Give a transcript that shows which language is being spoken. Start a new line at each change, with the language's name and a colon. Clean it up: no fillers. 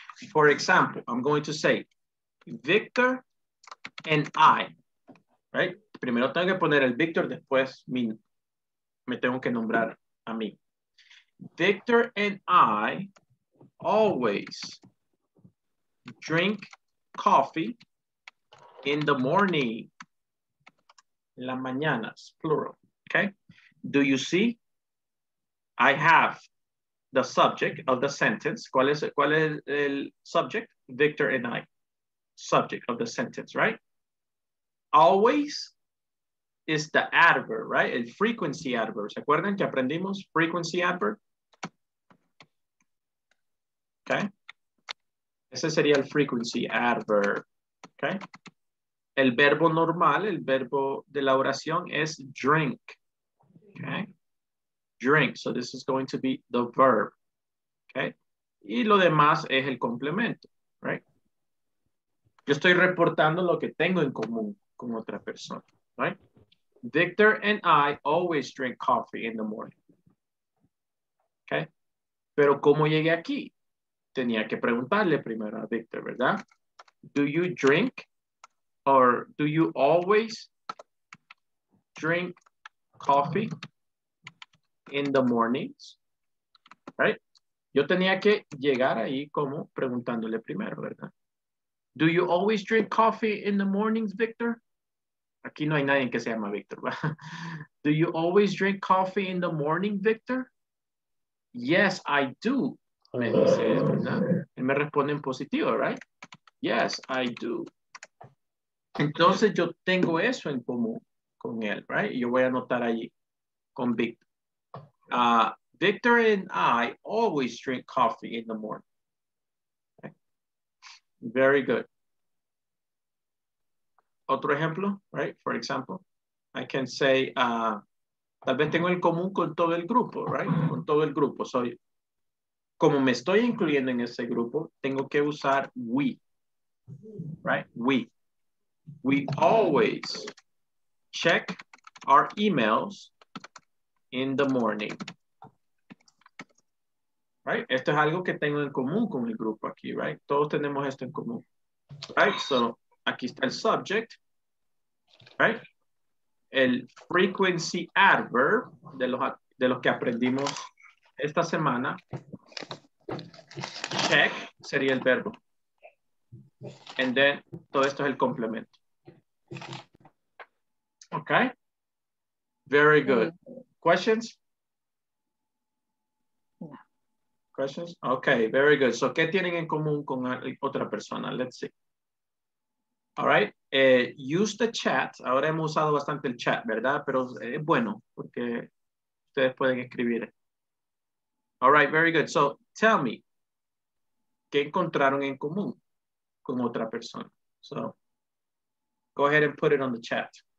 English: For example, I'm going to say, Victor and I. Right?
Spanish: Primero tengo que poner el Victor, después me tengo que nombrar a mí.
English: Victor and I always drink coffee in the morning.
Spanish: En las mañanas, plural.
English: Okay? Do you see? I have the subject of the sentence.
Spanish: ¿Cuál es el
English: subject? Victor and I. Subject of the sentence, right? Always is the adverb, right?
Spanish: El frequency adverb. ¿Se acuerdan que aprendimos frequency adverb? Okay. Ese sería el frequency adverb. Okay. El verbo normal, el verbo de la oración es drink.
English: Okay. Drink. So this is going to be the verb.
Spanish: Okay. Y lo demás es el complemento,
English: right?
Spanish: Yo estoy reportando lo que tengo en común con otra persona, right?
English: Victor and I always drink coffee in the morning. Okay.
Spanish: Pero ¿cómo llegué aquí? Tenía que preguntarle primero a Victor, ¿verdad?
English: Do you drink or do you always drink coffee in the mornings? Right?
Spanish: Yo tenía que llegar ahí como preguntándole primero, ¿verdad?
English: Do you always drink coffee in the mornings, Victor?
Spanish: Aquí no hay nadie que se llama Victor.
English: Do you always drink coffee in the morning, Victor? Yes, I do.
Spanish: Me dice, ¿verdad? Él me responde en positivo, right?
English: Yes, I do.
Spanish: Entonces yo tengo eso en común con él, right? Yo voy a anotar allí con Victor.
English: Victor and I always drink coffee in the morning. Very good.
Spanish: Otro ejemplo, right?
English: For example, I can say,
Spanish: tal vez tengo el común con todo el grupo, right? Con todo el grupo.
English: So,
Spanish: como me estoy incluyendo en ese grupo, tengo que usar we, right?
English: We. We always check our emails in the morning. Right?
Spanish: Esto es algo que tengo en común con el grupo aquí, right? Todos tenemos esto en común.
English: Right? So,
Spanish: aquí está el subject. Right? El frequency adverb de los que aprendimos esta semana. Check sería el verbo.
English: And then,
Spanish: todo esto es el complemento.
English: Okay? Very good. Questions? Questions? Okay, very good.
Spanish: So, ¿qué tienen en común con otra persona?
English: Let's see. All right. Use the chat.
Spanish: Ahora hemos usado bastante el chat, ¿verdad? Pero es bueno porque ustedes pueden escribir.
English: All right, very good. So, tell me,
Spanish: ¿qué encontraron en común con otra persona?
English: So, go ahead and put it on the chat.